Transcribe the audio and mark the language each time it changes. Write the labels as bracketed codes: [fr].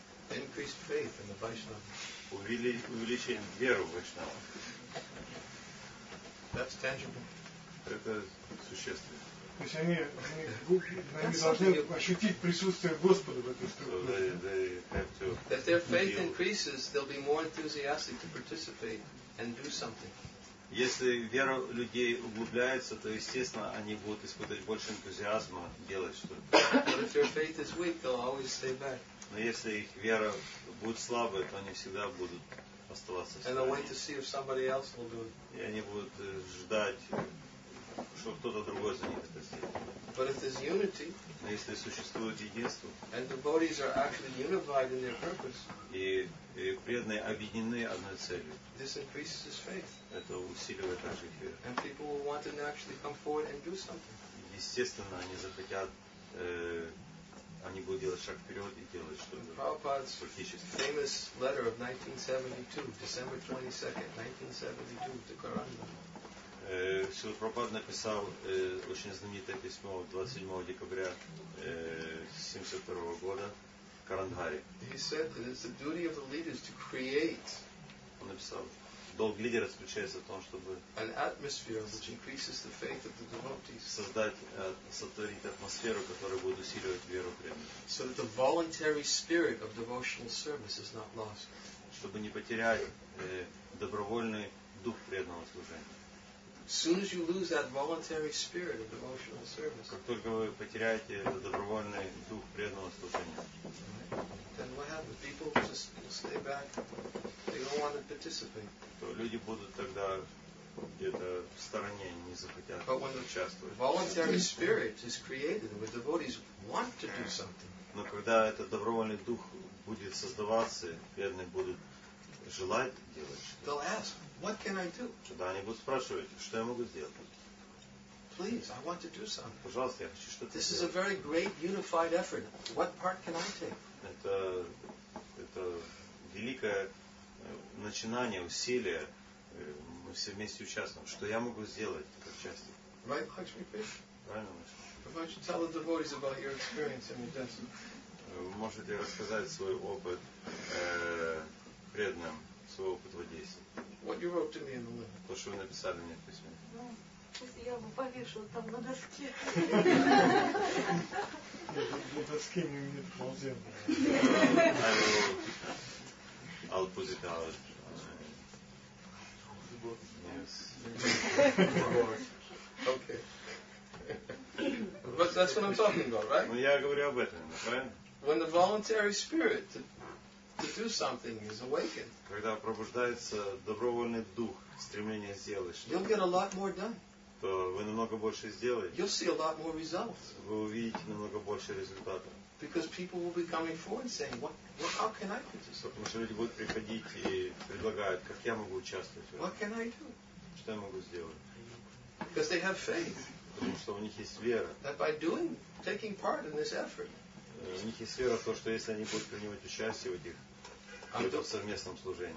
[en] Increased faith in the Vaishnava. [ru] Увеличение веры в Вайшнава. [en] That's tangible. [ru] Это существенно. То есть они должны ощутить присутствие Господа в этой структуре. [en] If their faith increases, they'll be more enthusiastic to participate and do something. [ru] Если вера людей углубляется, то естественно они будут испытывать больше энтузиазма делать что-то. [en] But if their faith is weak, they'll always stay back. [ru] Но если их вера будет слабой, то они всегда будут оставаться. [en] And they'll wait to see if somebody else will do it. [ru] И они будут ждать, что кто-то другой за них это сделал. [en] But if there's unity, [ru] но если существует единство, [en] and the bodies are actually unified in their purpose, [ru] и преданные объединены одной целью, [en] this increases his faith. [ru] Это усиливает также их веру. [en] And people will want to actually come forward and do something. [ru] Естественно, они захотят, они будут делать шаг вперед и делать что-то. [en] Prabhupada's famous letter of 1972, December 22nd, 1972, to Karanda. [ru] Шрила Прабхупада написал очень знаменитое письмо 27 декабря 72 года в Карангаре. [en] He said that it's the duty of the leaders to create. [ru] Он написал: долг лидера заключается в том, чтобы [en] an atmosphere which increases the faith of the devotees. [ru] Сотворить атмосферу, которая будет усиливать веру преданных. [en] So that the voluntary spirit of devotional service is not lost. [ru] Чтобы не потерять добровольный дух преданного служения. [en] As soon as you lose that voluntary spirit of devotional service, [ru] как только вы потеряете этот добровольный дух преданного служения, [en] then what happens? People just stay back. They don't want to participate. [ru] То люди будут тогда где-то в стороне, не захотят участвовать. [en] Voluntary spirit is created where devotees want to do something. [ru] Но когда этот добровольный дух будет создаваться, преданные будут желать делать что-то. [en] They'll ask, what can I do? [ru] Тогда они будут спрашивать, что я могу сделать? [en] Please, I want to do something. [ru] Пожалуйста, я хочу что-то [en] This [ru] сделать. [en] Is a very great unified effort. What part can I take? [ru] Это великое начинание, усилие. Мы все вместе участвуем. Что я могу сделать как часть? [en] Right, Lakshmi Prish? [ru] Правильно, Лакшми. [en] Why don't you tell the devotees about your experience and your destiny? [ru] Вы можете рассказать свой опыт преданным, свой опыт в Одессе. [en] What you wrote to me in the letter. [ru] То, что вы написали мне в письме. Ну, пусть я бы повешу там на доске. На доске мы не ползем. [en] I'll put it out. Yes. Okay. But that's what I'm talking about, right? [ru] Ну, я говорю об этом, правильно? [en] When the voluntary spirit to do something is awakened. [ru] Когда пробуждается добровольный дух, стремление сделать что-то. [en] You'll get a lot more done. [ru] То вы намного больше сделаете. [en] You'll see a lot more results. [ru] Вы увидите намного больше результатов. [en] Because people will be coming forward and saying, what, how can I participate? [ru] Потому что люди будут приходить и предлагают, как я могу участвовать. [en] What can I do? [ru] Что я могу сделать? [en] Because they have faith. [ru] Потому что у них есть вера. [en] That by doing, taking part in this effort. [ru] У них есть вера в то, что если они будут принимать участие в этих в совместном служении,